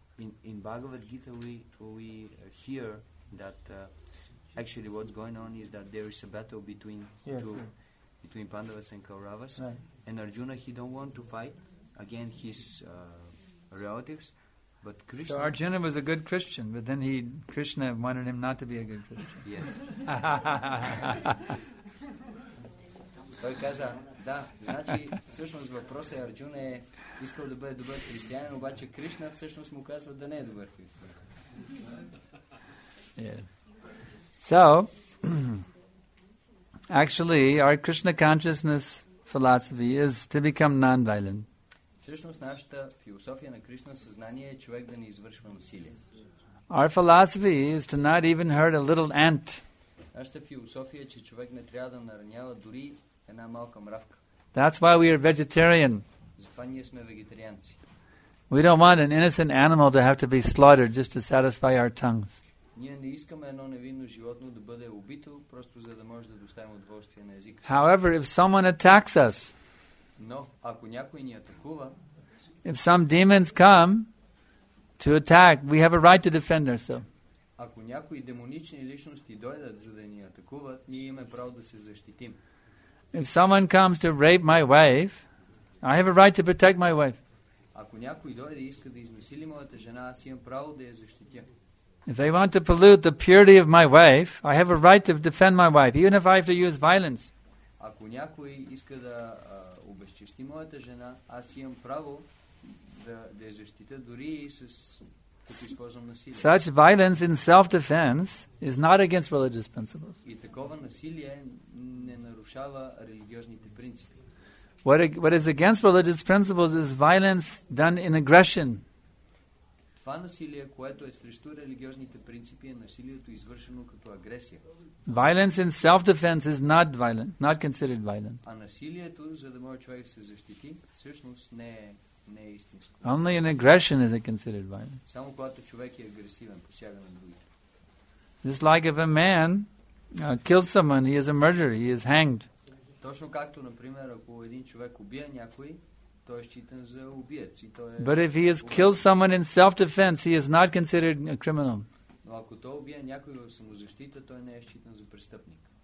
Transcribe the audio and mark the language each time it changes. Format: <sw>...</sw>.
<en>In Bhagavad Gita we hear that actually what's going on is that there is a battle between Pandavas and Kauravas, right. And Arjuna, he don't want to fight against his relatives, but Krishna... So Arjuna was a good Christian, but then Krishna wanted him not to be a good Christian. Yes.</en> <bg>Той каза, да, значи, всъщност въпросът е, Арджуна е искал да бъде добър християнин, обаче Кришна всъщност му казва да не е добър християнин.</bg> <en>Yeah. So... Actually, our Krishna consciousness philosophy is to become non-violent.</en> <bg>Всъщност нашата философия на Кришна съзнание е човек да не извършва насилие.</bg> <en>Our philosophy is to not even hurt a little ant.</en> <bg>Нашата философия е, че човек не трябва да наранява дори една малка мравка.</bg> <en>That's why we are vegetarian.</en> <bg>Затова ние сме вегетарианци.</bg> <en>We don't want an innocent animal to have to be slaughtered just to satisfy our tongues.</en> <bg>Ние не искаме едно невинно животно да бъде убито, просто за да може да доставим удоволствие на езика.</bg> <en>However, if someone attacks us,</en> <bg>но ако някой ни атакува,</bg> <en>if some demons come to attack, we have a right to defend ourselves.</en> <bg>Ако някои демонични личности дойдат за да ни атакуват, ние имаме право да се защитим.</bg> <en>If someone comes to rape my wife, I have a right to protect my wife.</en> <bg>Ако някой дойде и иска да изнасили моята жена, аз имам право да я защитя.</bg> <en>If they want to pollute the purity of my wife, I have a right to defend my wife, even if I have to use violence.</en> <bg>Ако някой иска да обезчести моята жена, аз имам право да я защита дори и като използвам насилие.</bg> <en>Such violence in self-defense is not against religious principles.</en> <bg>И такова насилие не нарушава религиозните принципи.</bg> <en>What is against religious principles is violence done in aggression.</en> <bg>Това насилие, което е срещу религиозните принципи, е насилието извършено като агресия.</bg> <en>Violence in self-defense is not violent, not considered violent.</en> <bg>А насилието, за да може човек се защити, всъщност не е истинско.</bg> <en>Only in aggression is it considered violent.</en> <bg>Само когато човек е агресивен, посяга на другите.</bg> <en>Just like if a man kills someone, he is a murderer, he is hanged.</en> <bg>Точно както, например, ако един човек убие някой, той е считан за убиец. И той е...</bg> <en>But if he has killed someone in self-defense, he is not considered a criminal.</en> <bg>Но ако той убие някой в самозащита, той не е считан за престъпник.</bg>